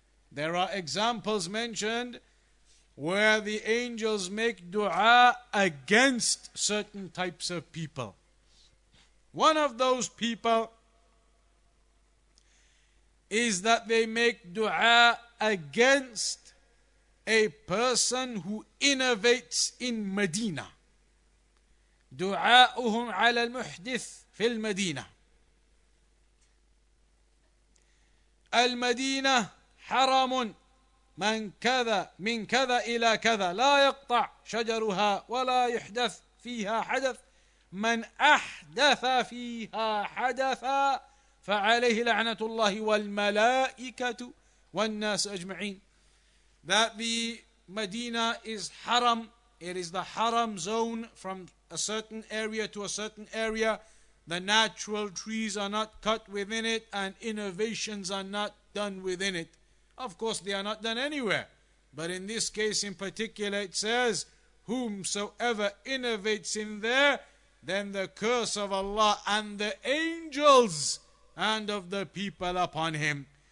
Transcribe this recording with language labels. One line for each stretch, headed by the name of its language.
English: There are examples mentioned where the angels make dua against certain types of people. One of those people is that they make dua against a person who innovates in Medina.
Arabic: دعاؤهم على المحدث في المدينة. المدينة حرام من كذا من كذا إلى كذا لا يقطع شجرها ولا يحدث فيها حدث من أحدث فيها حدثا فعليه لعنة الله والملائكة والناس أجمعين.
English: That the Medina is haram, it is the haram zone from a certain area to a certain area. The natural trees are not cut within it and innovations are not done within it. Of course, they are not done anywhere. But in this case in particular, it says, whomsoever innovates in there, then the curse of Allah and the angels and of the people upon him.